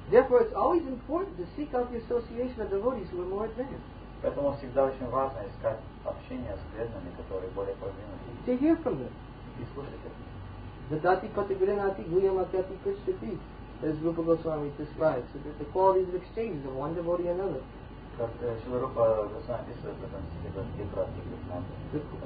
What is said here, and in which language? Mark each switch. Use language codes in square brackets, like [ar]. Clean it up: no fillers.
[en] Therefore, it's always important to seek out the association of devotees who are more advanced. [ru] Поэтому всегда очень важно искать общение с преданными, которые более продвинутые. [en] To hear from them. [ru] И слушать от них. Задати патигринати гуямакати кришчати. [en] As Rupa Goswami describes, that the qualities of exchange of one devotee and another. [ru] Как Шрила Рупа Госвами описывает в этом стихе, это стихе про патигринати.